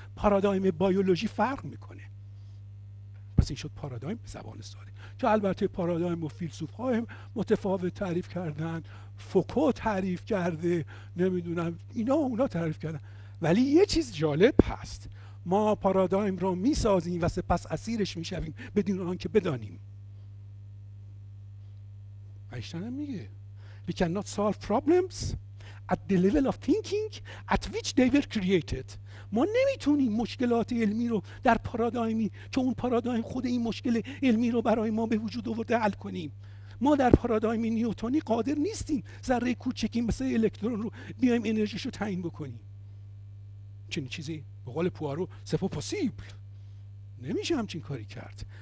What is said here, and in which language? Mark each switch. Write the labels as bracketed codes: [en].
[fa] پارادایم بیولوژی فرق میکنه. پس این شد پارادایم به زبان ساده، که البته پارادایم و فیلسوف های متفاوت تعریف کردن، فوکو تعریف کرده، نمیدونم اینا اونا تعریف کردن. ولی یه چیز جالب هست، ما پارادایم رو میسازیم و سپس اسیرش میشویم بدون آنکه بدانیم. اینشتن هم میگه [en] We cannot solve problems at the level of thinking at which they were created. [fa] ما نمیتونیم مشکلات علمی رو در پارادایمی که اون پارادایم خود این مشکل علمی رو برای ما به وجود آورده حل کنیم. ما در پارادایم نیوتونی قادر نیستیم ذره کوچکی مثل الکترون رو بیایم انرژیش رو تعیین بکنیم. چنین چیزی به قول پوارو [fr] سپو پسیبل [fa] نمیشه همچین کاری کرد.